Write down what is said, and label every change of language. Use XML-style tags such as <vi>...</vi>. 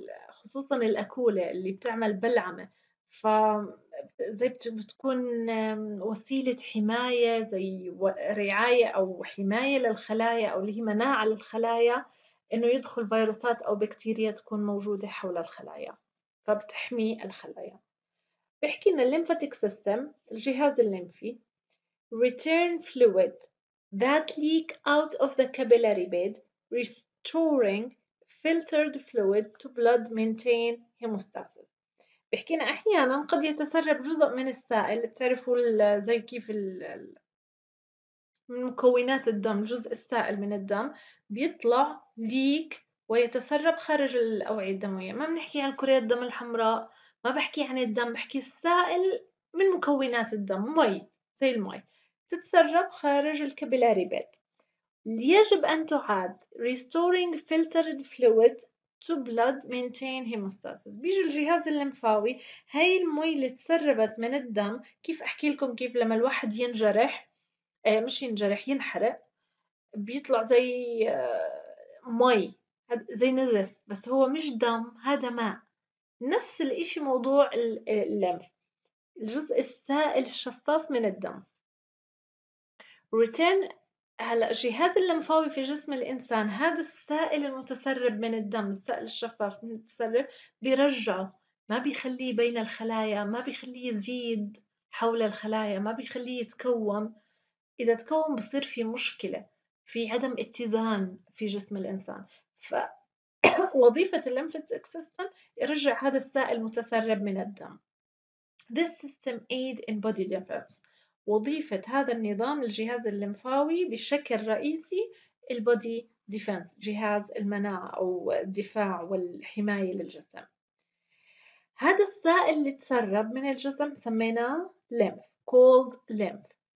<ar>خصوصا الأكولة اللي بتعمل بلعمة، فزي بتكون وسيلة حماية زي رعاية أو حماية للخلايا أو اللي هي مناعة للخلايا إنه يدخل فيروسات أو بكتيريا تكون موجودة حول الخلايا، فبتحمي الخلايا. بحكي إن الليمفاتيك سيستم، الجهاز الليمفي،</ar> <en>return fluid that leak out of the capillary bed restoring filtered fluid to blood maintain hemostasis.</en> <ar>بحكينا احيانا قد يتسرب جزء من السائل، بتعرفوا زي كيف من مكونات الدم جزء السائل من الدم بيطلع ليك ويتسرب خارج الاوعية الدموية، ما بنحكي عن كريات الدم الحمراء، ما بحكي عن الدم، بحكي السائل من مكونات الدم، مي زي المي تتسرب خارج الكابيلاري بيد. يجب ان تعاد</ar> <en>restoring filtered fluid to blood maintain hemostasis.</en> <ar>بيجي الجهاز الليمفاوي، هاي المي اللي تسربت من الدم، كيف احكي لكم كيف لما الواحد ينجرح، مش ينجرح، ينحرق، بيطلع زي مي، زي نزف، بس هو مش دم، هذا ماء. نفس الاشي موضوع الليمف، الجزء السائل الشفاف من الدم. ريتين هلا جهاز الليمفاوي في جسم الإنسان، هذا السائل المتسرب من الدم، السائل الشفاف المتسرب، بيرجع، ما بيخليه بين الخلايا، ما بيخليه يزيد حول الخلايا، ما بيخليه يتكون. إذا تكون بصير في مشكلة، في عدم اتزان في جسم الإنسان، فوظيفة الليمفاتيك سيستم يرجع هذا السائل المتسرب من الدم.</ar> <en>This system aid in body defense.</en> <ar>وظيفة هذا النظام الجهاز الليمفاوي بشكل رئيسي البودي ديفنس، جهاز المناعة أو الدفاع والحماية للجسم. هذا السائل اللي تسرب من الجسم سميناه ليمف، كولد ليمف.</ar>